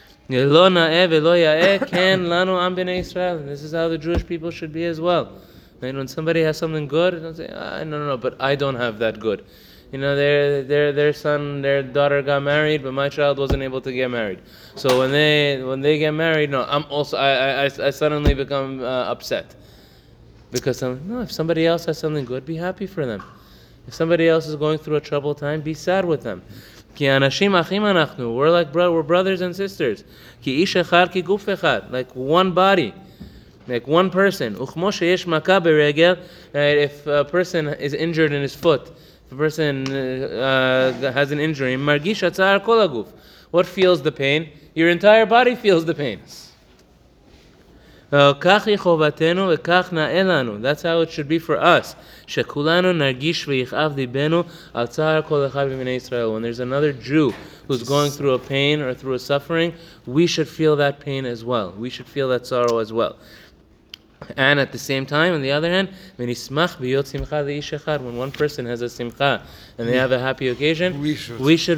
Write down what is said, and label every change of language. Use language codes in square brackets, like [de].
[he] לא נאה ולא יאה, כן לנו עם בני ישראל. [en] This is how the Jewish people should be as well. And when somebody has something good, don't say, no, but I don't have that good. You know, their son, their daughter got married, but my child wasn't able to get married. So when they get married, no, I'm also I suddenly become upset. Because if somebody else has something good, be happy for them. If somebody else is going through a troubled time, be sad with them. [he] כי אנשים אחים אנחנו, [en] we're brothers and sisters. [he] כי איש אחד, כי גוף אחד, [en] like one body. Like one person. [he] וכמו שיש מכה ברגל, [en] if a person is injured in his foot, if a person has an injury, [he] מרגיש הצער כל הגוף. [en] What feels the pain? Your entire body feels the pain. [he] כך היא חובתנו וכך נאה לנו. [en] That's how it should be for us. [he] שכולנו נרגיש ויכאב ליבנו על צער כל אחד במיני ישראל. [en] When there's another Jew who's going through a pain or through a suffering, we should feel that pain as well. We should feel that sorrow as well. And at the same time, on the other hand, when [he] ישמח ביות שמחה לאיש אחד, [en] when one person has a simcha and they have a happy occasion, we should